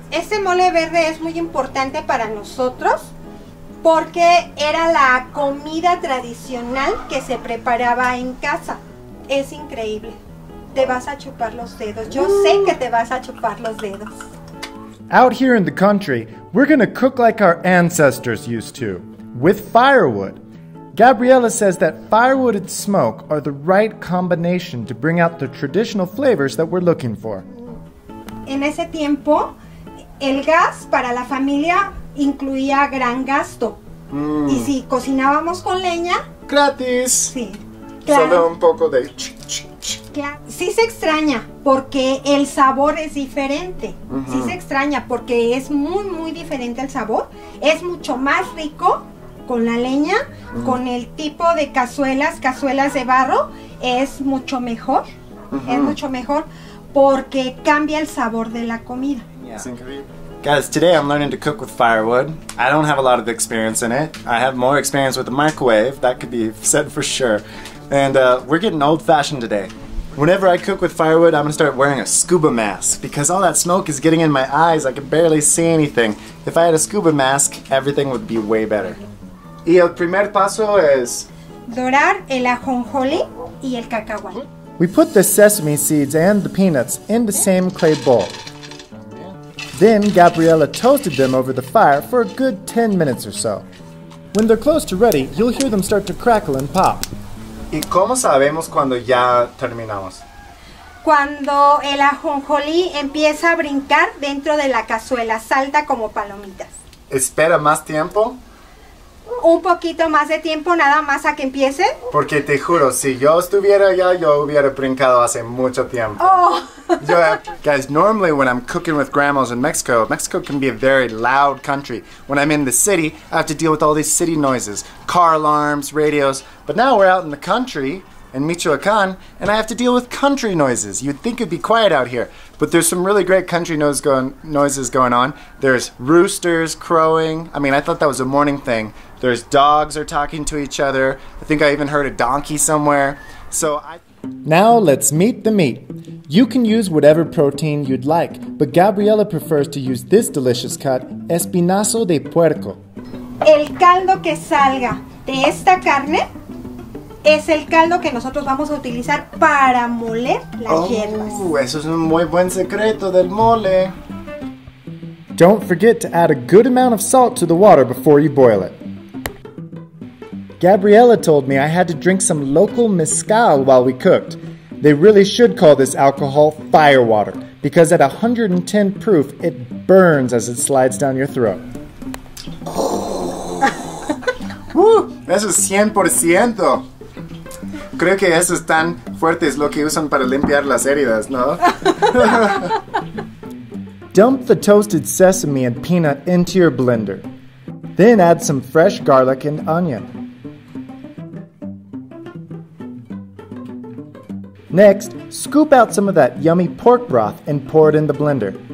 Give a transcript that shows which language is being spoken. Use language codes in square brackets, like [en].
[es] Este mole verde es muy importante para nosotros porque era la comida tradicional que se preparaba en casa. Es increíble. Te vas a chupar los dedos. Yo sé que te vas a chupar los dedos. [en] Out here in the country, we're gonna cook like our ancestors used to, with firewood. Gabriela says that firewood and smoke are the right combination to bring out the traditional flavors that we're looking for. [es] En ese tiempo, el gas para la familia incluía gran gasto. Mm. Y si cocinábamos con leña... ¡Gratis! Sí. Claro. Solo un poco de... Sí se extraña porque el sabor es diferente. Uh-huh. Sí se extraña porque es muy, muy diferente el sabor. Es mucho más rico con la leña, uh-huh. con el tipo de cazuelas de barro, es mucho mejor. Uh-huh. Es mucho mejor porque cambia el sabor de la comida. Yeah. [en] Guys, today I'm learning to cook with firewood. I don't have a lot of experience in it. I have more experience with the microwave, that could be said for sure. And we're getting old-fashioned today. Whenever I cook with firewood, I'm gonna start wearing a scuba mask because all that smoke is getting in my eyes. I can barely see anything. If I had a scuba mask, everything would be way better. [es] Y el primer paso es... Dorar el ajonjoli y el cacahuate. [en] We put the sesame seeds and the peanuts in the same clay bowl. Then Gabriela toasted them over the fire for a good 10 minutes or so. When they're close to ready, you'll hear them start to crackle and pop. [es] ¿Y cómo sabemos cuando ya terminamos? Cuando el ajonjolí empieza a brincar dentro de la cazuela, salta como palomitas. ¿Espera más tiempo? Un poquito más de tiempo, nada más a que empiece. Porque te juro, si yo estuviera allá, yo hubiera brincado hace mucho tiempo. Oh. [en] Guys, normally when I'm cooking with grandmas in Mexico, Mexico can be a very loud country. When I'm in the city, I have to deal with all these city noises, car alarms, radios. But now we're out in the country, in Michoacán, and I have to deal with country noises. You'd think it'd be quiet out here, but there's some really great country noises going on. There's roosters crowing. I mean, I thought that was a morning thing. There's dogs are talking to each other. I think I even heard a donkey somewhere. Now let's meet the meat. You can use whatever protein you'd like, but Gabriela prefers to use this delicious cut, espinazo de puerco. [es] El caldo que salga de esta carne es el caldo que nosotros vamos a utilizar para moler las hierbas. Eso es un muy buen secreto del mole. [en] Don't forget to add a good amount of salt to the water before you boil it. Gabriela told me I had to drink some local mezcal while we cooked. They really should call this alcohol fire water, because at 110 proof, it burns as it slides down your throat. [es] Eso es 100%. Creo que eso es tan fuerte es lo que usan para limpiar las heridas, ¿no? [en] Dump the toasted sesame and peanut into your blender. Then add some fresh garlic and onion. Next, scoop out some of that yummy pork broth and pour it in the blender.